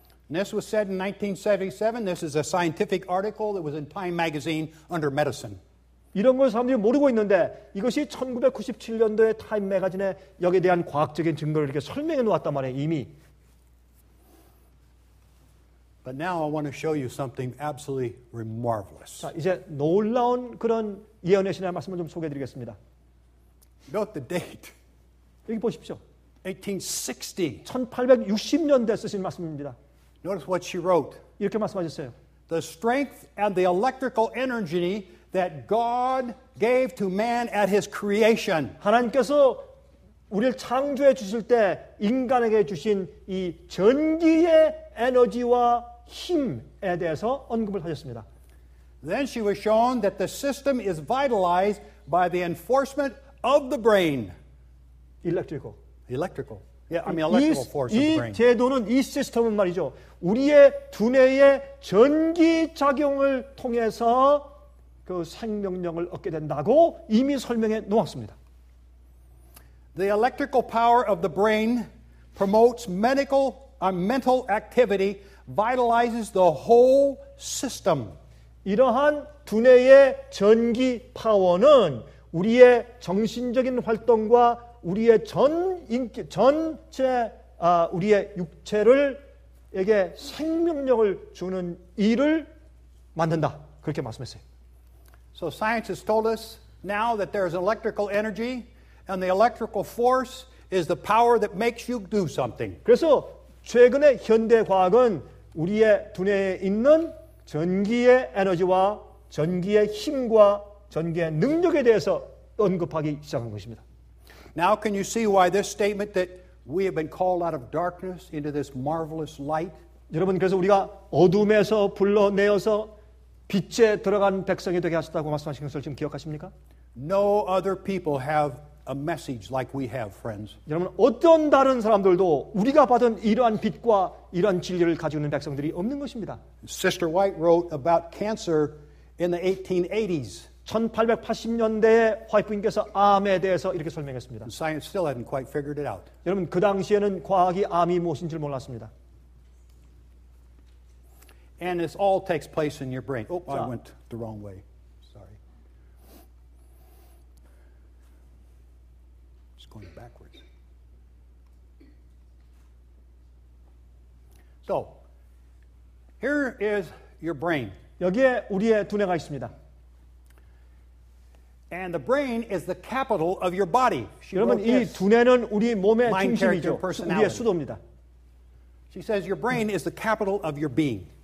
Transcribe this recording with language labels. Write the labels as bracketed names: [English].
[English] This was said in 1977. This is a scientific article that was in Time magazine under medicine. [Korean] 이런 걸 사람들이 모르고 있는데 이것이 1997년도에 타임 매거진에 여기에 대한 과학적인 증거를 이렇게 설명해 놓았단 말이에요, 이미. [English] But now I want to show you something absolutely marvelous. [Korean] 자, 이제 놀라운 그런 예언의 신의 말씀을 좀 소개해드리겠습니다. [English] Note the date. [Korean] 여기 보십시오. [English] 1860. [Korean] 1860년대 쓰신 말씀입니다. [English] Notice what she wrote. [Korean] 이렇게 말씀하셨어요. [English] The strength and the electrical energy that God gave to man at his creation. [Korean] 하나님께서 우리를 창조해 주실 때 인간에게 주신 이 전기의 에너지와 힘에 대해서 언급을 하셨습니다. [English] Then she was shown that the system is vitalized by the enforcement of the brain. Electrical. Electrical. Yeah, I mean electrical force of the brain. [Korean] 이 제도는 이 시스템은 말이죠. 우리의 두뇌의 전기 작용을 통해서 그 생명력을 얻게 된다고 이미 설명해 놓았습니다. [English] The electrical power of the brain promotes mental activity, vitalizes the whole system. [Korean] 이러한 두뇌의 전기 파워는 우리의 정신적인 활동과 우리의 전체 우리의 육체를에게 생명력을 주는 일을 만든다. 그렇게 말씀했어요. [English] So science has told us now that there is electrical energy and the electrical force is the power that makes you do something. [Korean] 그래서 최근의 현대 과학은 우리의 두뇌에 있는 전기의 에너지와 전기의 힘과 전기의 능력에 대해서 언급하기 시작한 것입니다. [English] Now can you see why this statement that we have been called out of darkness into this marvelous light? [Korean] 여러분 그래서 우리가 어둠에서 불러내어서 빛에 들어간 백성이 되게 하셨다고 말씀하신 것을 지금 기억하십니까? [English] No other people have a message like we have, friends. [Korean] 여러분 어떤 다른 사람들도 우리가 받은 이러한 빛과 이런 진리를 가지고 있는 백성들이 없는 것입니다. [English] Sister White wrote about cancer in the 1880s. [Korean] 1880년대에 화이트님께서 암에 대해서 이렇게 설명했습니다. [English] Science still hadn't quite figured it out. [Korean] 여러분 그 당시에는 과학이 암이 무엇인지 몰랐습니다. [English] And this all takes place in your brain. Oh, I went the wrong way. Sorry. It's going back. So, here is your brain. [Korean] 여기에 우리의 두뇌가 있습니다. [English] And the brain is the capital of your body. [Korean] 여러분, 이 두뇌는 우리 몸의 중심이죠. 우리의 수도입니다. [English] She says your brain is the capital of your being.